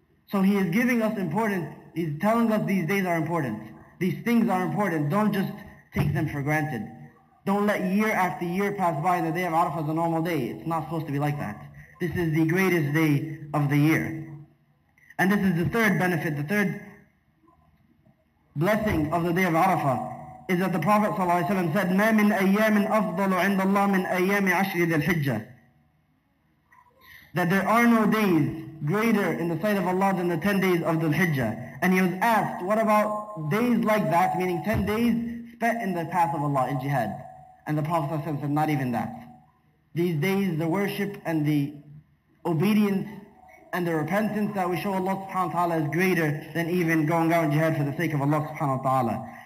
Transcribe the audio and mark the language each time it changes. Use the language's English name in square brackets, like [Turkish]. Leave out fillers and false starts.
[English] So he is giving us important, he's telling us these days are important. These things are important. Don't just take them for granted. Don't let year after year pass by and the day of Arafah is a normal day. It's not supposed to be like that. This is the greatest day of the year. And this is the third benefit, the third blessing of the day of Arafah is that the Prophet ﷺ said, [Arabic] مَا مِنْ أَيَّامٍ أَفْضَلُ عِنْدَ اللَّهِ مِنْ أَيَّامِ عَشْرِ ذِي الْحِجَّةِ. [English] That there are no days greater in the sight of Allah than the 10 days of the Hijjah. And he was asked, what about days like that, meaning 10 days spent in the path of Allah in jihad? And the Prophet ﷺ said, not even that. These days, the worship and the obedience and the repentance that we show Allah subhanahu wa ta'ala is greater than even going out in jihad for the sake of Allah subhanahu wa ta'ala.